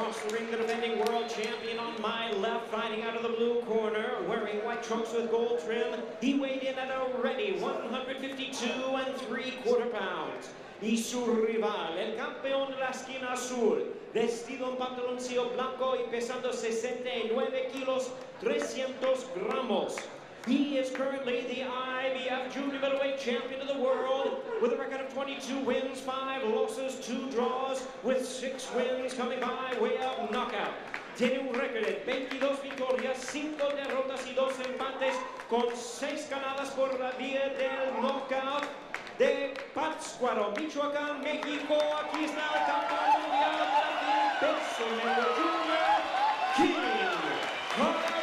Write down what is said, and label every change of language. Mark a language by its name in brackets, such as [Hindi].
[English] Ring, the defending world champion on my left, fighting out of the blue corner, wearing white trunks with gold trim. He weighed in at already 152 and 3 quarter pounds. [Spanish] Y su rival, el campeón de la esquina azul, vestido en pantaloncillo blanco y pesando 69 kilos, 300 gramos. [English] He is currently the IBF Junior Middleweight Champion of the World with a record of 22 wins, 5 losses, 2 draws, with 6 wins coming by way of knockout. [Spanish] Tiene un record [English] of [Spanish] 22 victorias, 5 derrotas y 2 empates, con 6 ganadas por la vía del knockout de Pátzcuaro, Michoacán, México. Aquí está el campeón mundial de la vida, peso medio junior, King.